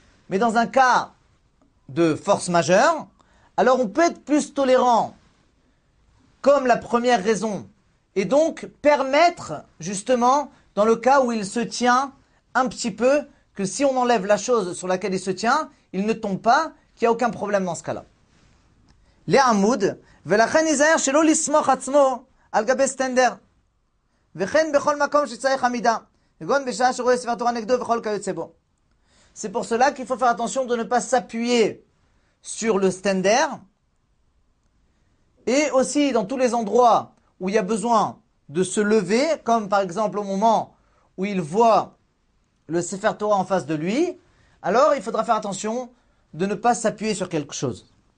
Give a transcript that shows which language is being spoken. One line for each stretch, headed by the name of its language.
French: Mais dans un cas de force majeure, Alors on peut être plus tolérant, comme la première raison, et donc permettre, justement, dans le cas où il se tient un petit peu, que si on enlève la chose sur laquelle il se tient, il ne tombe pas, qu'il n'y a aucun problème dans ce cas-là.
Hebrew: Les Hamoud, ולכן יזהר שלא לסמוך עצמו על גבי סטנדר, וכן בכל מקום שצריך עמידה, וגון בשעה שרואה ספר תורה נגדו וכל כיוצא בו.
French: C'est pour cela qu'il faut faire attention de ne pas s'appuyer sur le stender et aussi dans tous les endroits où il y a besoin de se lever, comme par exemple au moment où il voit le Sefer Torah en face de lui, alors il faudra faire attention de ne pas s'appuyer sur quelque chose.